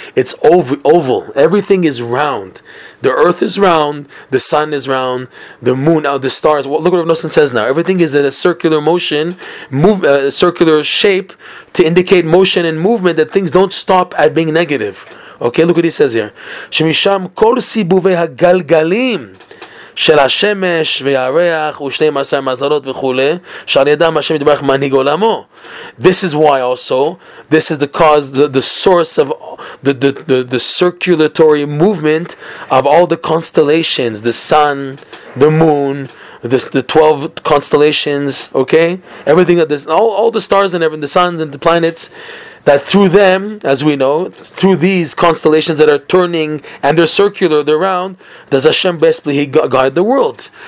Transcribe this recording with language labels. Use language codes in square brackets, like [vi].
[en] It's oval. Everything is round. The earth is round. The sun is round. The moon, the stars. Well, look what Rav Nosson says now. Everything is in a circular motion, circular shape to indicate motion and movement, that things don't stop at being negative. Okay, look what he says here. [he] Shemisham kol sibuve hagalgalim. של השמש והריח ושני מעשי מזלות וכו'. שעל ידם השם ידברך מנהיג עולמו. [en] This is why also, this is the cause, the source of the circulatory movement of all the constellations, the sun, the moon, the 12 constellations, okay? Everything that this, all the stars and everything, the suns and the planets, that through them, as we know, through these constellations that are turning and they're circular, they're round, does Hashem basically guide the world?